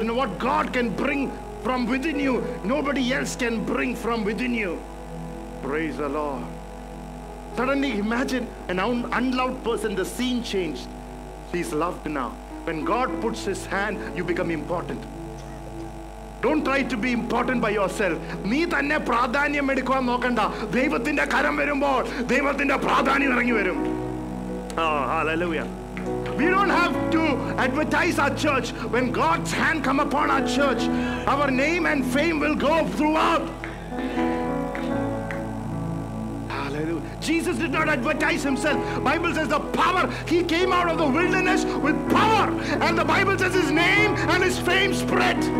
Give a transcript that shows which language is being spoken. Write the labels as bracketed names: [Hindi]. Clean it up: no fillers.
[English] And what God can bring from within you, nobody else can bring from within you. Praise the Lord. Suddenly imagine an unloved person, the scene changed. She's loved now. When God puts his hand, you become important. Don't try to be important by yourself. [Malayalam] നീ തന്നെ പ്രാധാന്യം എടുക്കുവാൻ നോക്കണ്ട. ദൈവത്തിന്റെ കരം വരുമ്പോൾ ദൈവത്തിന്റെ പ്രാധാന്യം ഇറങ്ങി വരും. [English] Hallelujah. We don't have to advertise our church. When God's hand come upon our church, our name and fame will go throughout. Hallelujah. Jesus did not advertise himself. Bible says the power, he came out of the wilderness with power, and the Bible says his name and his fame spread.